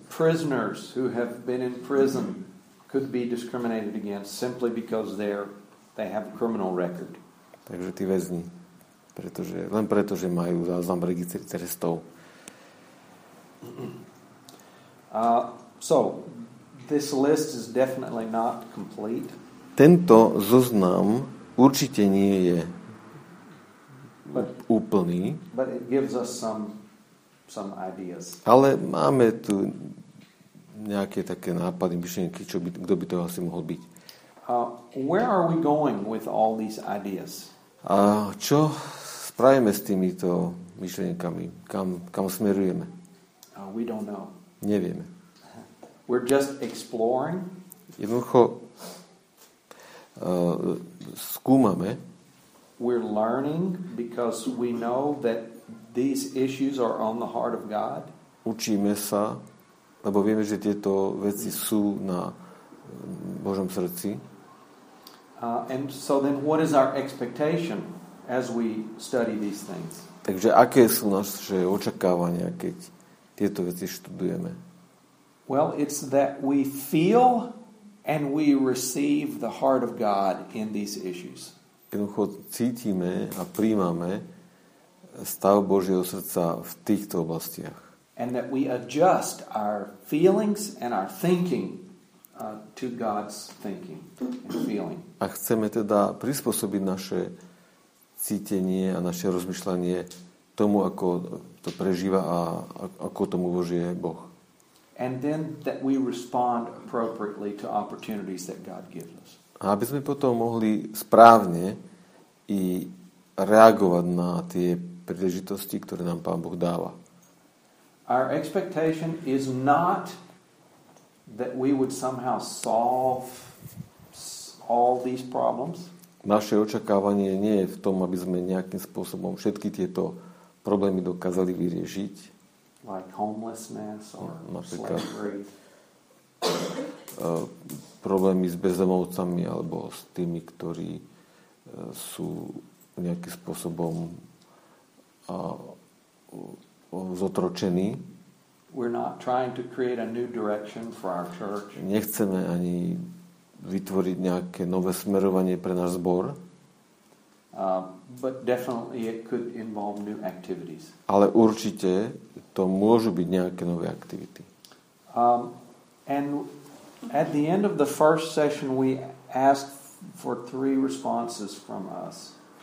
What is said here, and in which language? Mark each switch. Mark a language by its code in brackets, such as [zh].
[en] Prisoners who have been in prison could be discriminated against simply because they have a criminal record. [sk] Takže tí väzni, pretože len preto, že majú záznam registri trestov. [en] So this list is definitely not complete. [sk] Tento zoznam určite nie je úplný. [en] But it gives us some ideas. [sk] Ale máme tu nejaké také nápady, myšlienky, kto by to asi mohol byť. [en] Where are we going with all these ideas? [sk] A čo spravíme s týmito myšlienkami? Kam smerujeme? [en] We don't know. [sk] Nevieme. [en] We're just exploring. [sk] Jednoducho skúmame. [en] We're learning because we know that these issues are on the heart of God. [sk] Učíme sa, lebo vieme, že tieto veci sú na Božom srdci. [en] And so then what is our expectation as we study these things? [sk] Takže aké sú naše očakávania, keď tieto veci študujeme? [en] Well, it's that we feel and we receive the heart of God in these issues. [sk] Jednoducho cítime a prijímame stav Božieho srdca v týchto oblastiach. [en] And that we adjust our feelings and our thinking to God's thinking and feeling. [sk] A chceme teda prispôsobiť naše cítenie a naše rozmýšľanie tomu, ako to prežíva a ako tomu Božie Boh. [en] And then that we respond appropriately to opportunities that God gives us. [sk] A aby sme potom mohli správne i reagovať na tie príležitosti, ktoré nám Pán Boh dáva. [en] Our expectation is not that we would somehow solve all these problems. [sk] Naše očakávanie nie je v tom, aby sme nejakým spôsobom všetky tieto problémy dokázali vyriešiť. [en] Like homelessness or [sk] napríklad [en] slavery. [sk] Problémy s bezdomovcami alebo s tými, ktorí sú nejakým spôsobom zotročení. [en] We're not trying to create a new direction for our church. [sk] Nechceme ani vytvoriť nejaké nové smerovanie pre náš zbor. [en] But definitely it could involve new activities. [sk] Ale určite to môžu byť nejaké nové aktivity. [en] And at the end of the first session we asked for 3 responses from us.